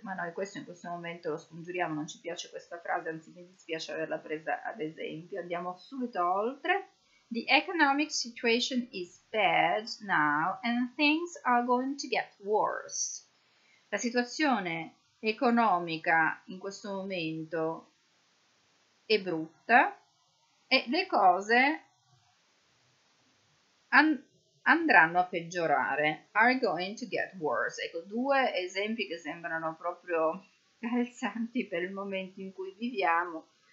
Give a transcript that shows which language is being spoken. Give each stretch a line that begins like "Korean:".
Italian: Ma noi questo in questo momento lo scongiuriamo, non ci piace questa frase, anzi mi dispiace averla presa ad esempio. Andiamo subito oltre.
English: The economic situation is bad now and things are going to get worse.
Italian: La situazione economica in questo momento è brutta e le cose andranno a peggiorare,
English: are going to get worse.
Italian: Ecco, due esempi che sembrano proprio calzanti per il momento in cui viviamo.